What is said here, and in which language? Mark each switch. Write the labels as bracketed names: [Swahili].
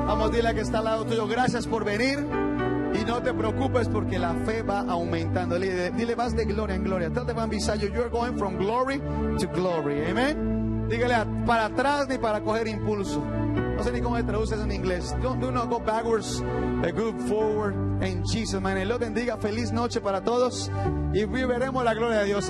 [Spanish] Dile que está al lado tuyo, gracias por venir y no te preocupes porque la fe va aumentando. Dile vas de gloria en gloria. [English] Tell the man beside you, you're going from glory to glory. [Spanish] Amen. Dígale para atrás ni para coger impulso. No sé ni cómo se traduce eso en inglés. [English] Do not go backwards, but go forward in Jesus. [Spanish] Man, el Lord bendiga. Feliz noche para todos y viviremos la gloria de Dios.